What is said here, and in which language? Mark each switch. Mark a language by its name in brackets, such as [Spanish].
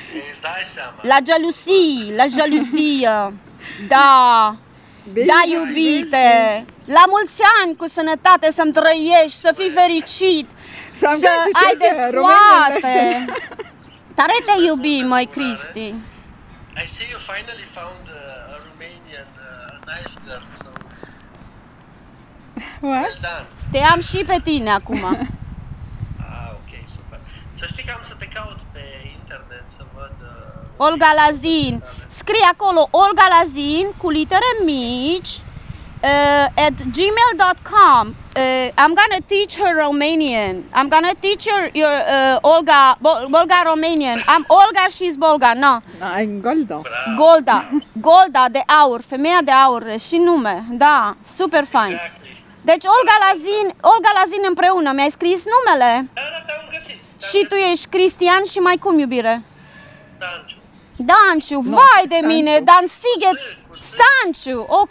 [Romanian] Îți dai seama. La gelusie, la gelusie. Da! [English] Baby, [Romanian] da, iubite! La mulți ani cu sănătate să-mi trăiești, să fii fericit, să ai de toate! Tare te iubim, măi, Cristi! [English] I see you finally found a Romanian nice girl, so... What? Well done! [Romanian] Te am și pe tine acum! Ah, ok, super! Să știi că am să te caut pe internet să văd... Olga Lazin! Scrie acolo Olga Lazin cu litere mici [English] at gmail.com. I'm gonna teach her Romanian. I'm gonna teach her your Olga Bolga Romanian. I'm Olga, she's Bolga. No. I'm Golda. Golda. [Romanian] Golda de aur, femeia de aur și nume. Da, super fain. [English] Exactly. [Romanian] Deci Olga Lazin împreună mi-ai scris numele. Da, te-am găsit. Și tu ești Cristian și mai cum, iubire? Danciu. Danciu, no, vai Stanciu. De mine, Dan Siget, Stanciu, ok.